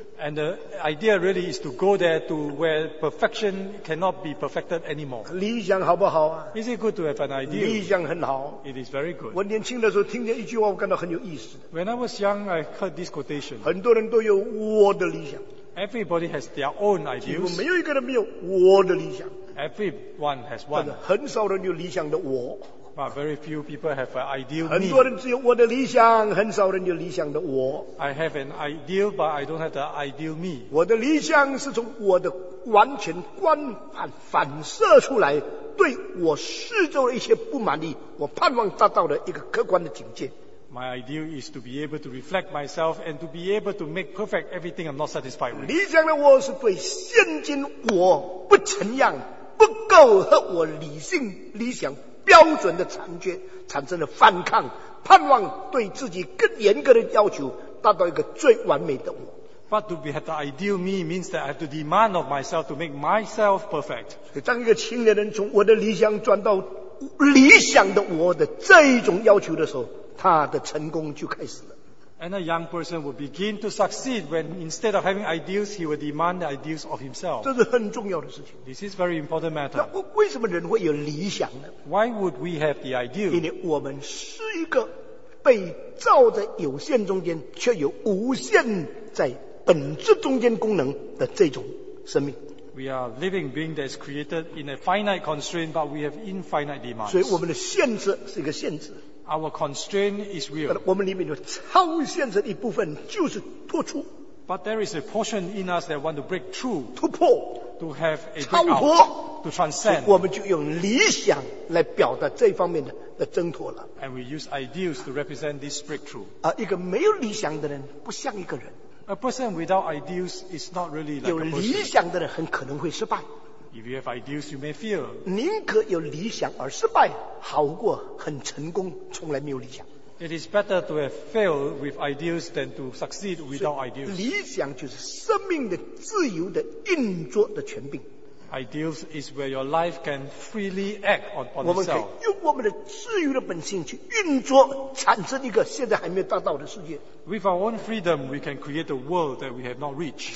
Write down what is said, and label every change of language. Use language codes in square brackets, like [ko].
[en] And the idea really is to go there to where perfection cannot be perfected anymore. [zh] 理想好不好啊？ [en] Is it good to have an idea? [zh] 理想很好。 [en] It is very good. [zh] 我年轻的时候听见一句话，我感到很有意思。 [en] When I was young, I heard this quotation. [zh] 很多人都有我的理想。 [en] Everybody has their own ideas. [zh] 几乎没有一个人没有我的理想。 [en] Everyone has one. [zh] 但是很少人有理想的我。 [en] But very few people have an ideal me. [zh] 很多人只有我的理想，很少人有理想的我。 [en] I have an ideal, but I don't have the ideal me. [zh] 我的理想是从我的完全观反射出来，对我四周的一些不满意，我盼望达到的一个客观的境界。 [en] My ideal is to be able to reflect myself and to be able to make perfect everything I'm not satisfied with. [zh] 理想的我是对现今我不成样、不够和我理性理想标准的残缺产生了反抗，盼望对自己更严格的要求，达到一个最完美的我。 [en] But to be have the ideal me means that I have to demand of myself to make myself perfect. [zh] 所以当一个青年人从我的理想转到理想的我的这一种要求的时候，他的成功就开始了。 [en] And a young person will begin to succeed when instead of having ideals, he will demand the ideals of himself. [zh] 这是很重要的事情。 [en] This is very important matter. [zh] 那为什么人会有理想呢？ [en] Why would we have the ideal? [zh] 因为我们是一个被造在有限中间，却有无限在本质中间功能的这种生命。 [en] We are living being that is created in a finite constraint, but we have infinite demands. [zh] 所以我们的限制是一个限制。 [en] Our constraint is real. [zh] 我们里面有超现实的一部分，就是突出。 [en] But there is a portion in us that want to break through, [zh] 突破 [en] to have a [zh] 超脱 [en] to transcend. [zh] 我们就用理想来表达这方面 的挣脱了。 [en] And we use ideals to represent this breakthrough. [zh] 一个没有理想的人不像一个人。 [en] A person without ideals is not really like a person. [zh] 有理想的人很可能会失败。 [en] If you have ideas, you may fail. [zh] 宁可有理想而失败，好过很成功，从来没有理想。 [en] It is better to have failed with ideas than to succeed without ideas. [zh] 理想就是生命的自由的运作的权柄。 [en] Ideas is where your life can freely act on itself. [zh] 我们可以用我们的自由的本性去运作，产生一个现在还没有达到的世界。 [en] With our own freedom, we can create a world that we have not reached.